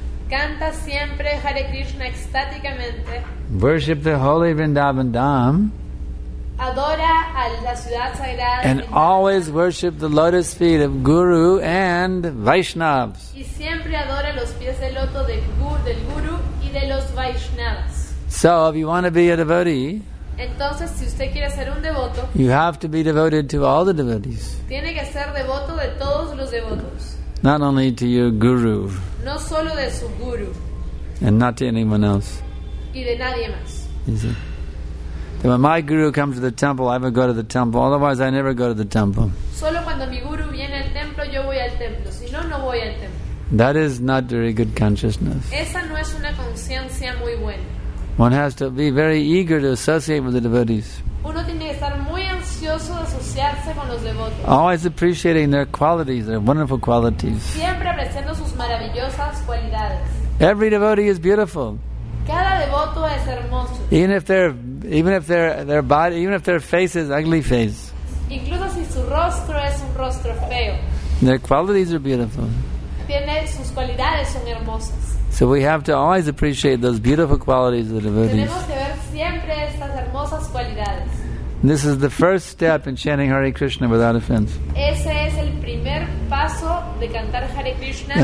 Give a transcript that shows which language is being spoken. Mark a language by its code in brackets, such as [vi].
[es] Canta siempre Hare Krishna extáticamente. [en] Worship the holy Vrindavan Dham. [es] Adora a la ciudad sagrada. [en] And always worship the lotus feet of Guru and Vaishnavas. [es] Y siempre adora los pies de loto del Guru y de los Vaishnavas. [en] So, if you want to be a devotee, [es] entonces, si usted quiere ser un devoto, [en] you have to be devoted to all the devotees. [es] Tiene que ser devoto de todos los devotos. [en] Not only to your Guru. [es] No solo de su Guru. [en] And not to anyone else. [es] Y de nadie más. [en] Is it? When my guru comes to the temple, I would go to the temple. Otherwise, I never go to the temple. [es] Solo cuando mi guru viene al templo, yo voy al templo. Si no, no voy al templo. [en] That is not very good consciousness. [es] Esa no es una conciencia muy buena. [en] One has to be very eager to associate with the devotees. [es] Uno tiene que estar muy ansioso de asociarse con los devotos. [en] Always appreciating their qualities, their wonderful qualities. [es] Siempre apreciando sus maravillosas cualidades. [en] Every devotee is beautiful. [es] Cada devoto es hermoso. [en] Even if their face is ugly face. [es] Incluso si su rostro es un rostro feo. [en] Their qualities are beautiful. [es] Tiene sus cualidades son hermosas. [en] So we have to always appreciate those beautiful qualities of the devotees. [es] Tenemos que ver siempre estas hermosas cualidades. [en] This is the first step in chanting Hare Krishna without offense. [es] Ese es el primer paso de cantar Hare Krishna.